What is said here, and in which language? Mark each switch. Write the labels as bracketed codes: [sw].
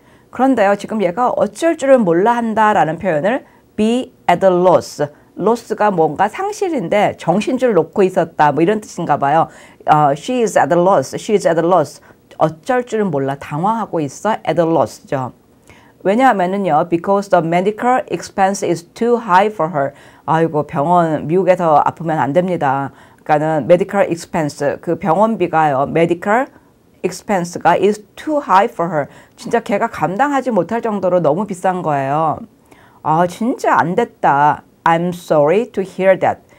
[ko] 그런데요, 지금 얘가 어쩔 줄을 몰라 한다라는 표현을 [en] be at a loss. [ko] 로스가 뭔가 상실인데 정신줄 놓고 있었다 뭐 이런 뜻인가 봐요. [en] She is at a loss. She is at a loss. [ko] 어쩔 줄은 몰라 당황하고 있어. [en] At a loss죠. [ko] 왜냐하면은요, [en] because the medical expense is too high for her. [ko] 아이고 병원 미국에서 아프면 안 됩니다. 그러니까는 [en] medical expense [ko] 그 병원비가요. [en] medical expense가 is too high for her. [ko] 진짜 걔가 감당하지 못할 정도로 너무 비싼 거예요. 아 진짜 안 됐다. [en] I'm sorry to hear that.